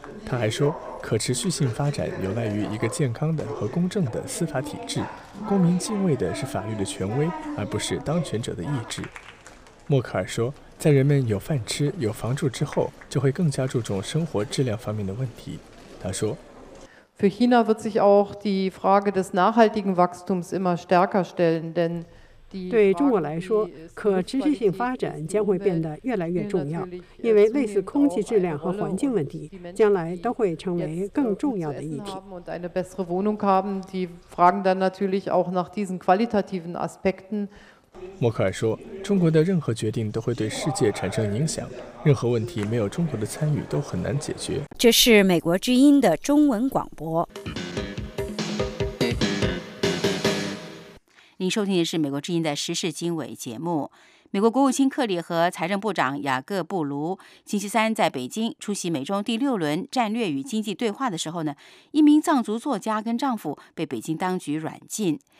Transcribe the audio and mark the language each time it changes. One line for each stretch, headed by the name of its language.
Chinese: 他还说，可持续性发展有赖于一个健康的和公正的司法体制，公民敬畏的是法律的权威，而不是当权者的意志。默克尔说，在人们有饭吃、有房住之后，就会更加注重生活质量方面的问题。他说，
German: Für China wird sich auch die Frage des nachhaltigen Wachstums immer stärker stellen, denn
Chinese: 对中国来说，可持续性发展将会变得越来越重要，因为类似空气质量和环境问题将来都会成为更重要的议题。
German: Eine bessere Wohnung haben, die fragen dann natürlich auch nach diesen qualitativen Aspekten.
Chinese: 默克尔说，中国的任何决定都会对世界产生影响，任何问题没有中国的参与都很难解决。这是美国之音的中文广播。您收听的是美国之音的时事经纬节目。美国国务卿克里和财政部长雅各布卢星期三在北京出席美中第六轮战略与经济对话的时候呢，一名藏族作家跟丈夫被北京当局软禁。